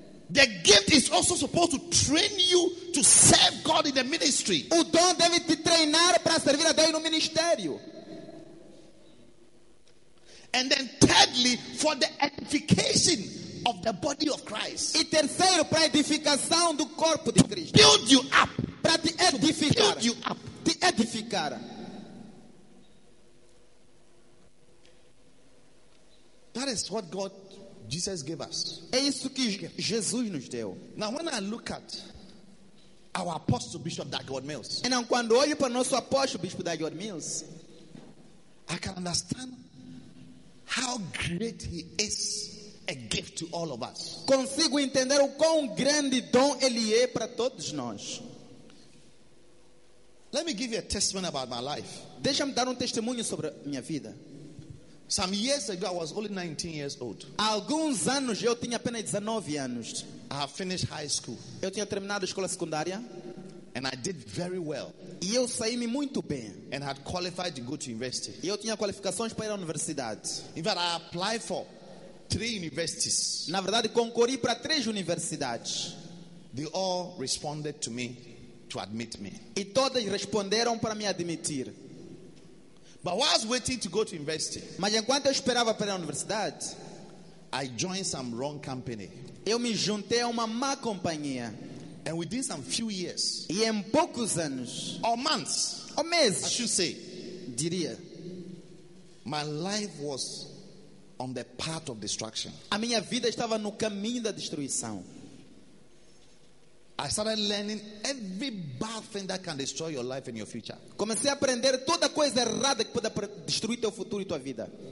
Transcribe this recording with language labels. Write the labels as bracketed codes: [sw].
[en] The gift is also supposed to train you to serve God in the ministry. [pt] O dom deve te treinar para servir a Deus no ministério. [en] And then thirdly, for the edification of the body of Christ. [pt] E terceiro, para a edificação do corpo de Cristo. [en] Build you up. [pt] Para te edificar. [en] Build you up. [pt] Te edificar. [en] That is what God, Jesus gave us. [pt] É isso que Jesus nos deu. [en] Now when I look at our apostle Bishop Dagwood Mills, and now [pt] quando olho para nosso apóstolo Bispo Dagwood Mills, [en] I can understand how great he is a gift to all of us. [pt] Consigo entender o quão grande dom ele é para todos nós. [en] Let me give you a testimony about my life. [pt] Deixa-me dar testemunho sobre minha vida. [en] Some years ago, I was only 19 years old. [pt] Alguns anos eu tinha apenas 19 anos. [en] I have finished high school. [pt] Eu tinha terminado a escola secundária. [en] And I did very well. [pt] E eu saí-me muito bem. [en] And had qualified to go to university. [pt] E eu tinha qualificações para ir à universidade. [en] In fact, I applied for 3 universities. [pt] Na verdade, concorri para 3 universidades. [en] They all responded to me to admit me. [pt] E todas responderam para me admitir. [en] But while I was waiting to go to university, [pt] mas enquanto eu esperava para a universidade, [en] I joined some wrong company. [pt] Eu me juntei a uma má companhia. [en] And within some few years, [pt] e em poucos anos, [en] or months, [pt] ou meses, [en] I should say, [pt] diria, [en] my life was on the path of destruction. [pt] A minha vida estava no caminho da destruição. [en] I started learning every bad thing that can destroy your life and your future. [pt] Comecei a aprender toda coisa errada que pode destruir teu futuro e tua vida.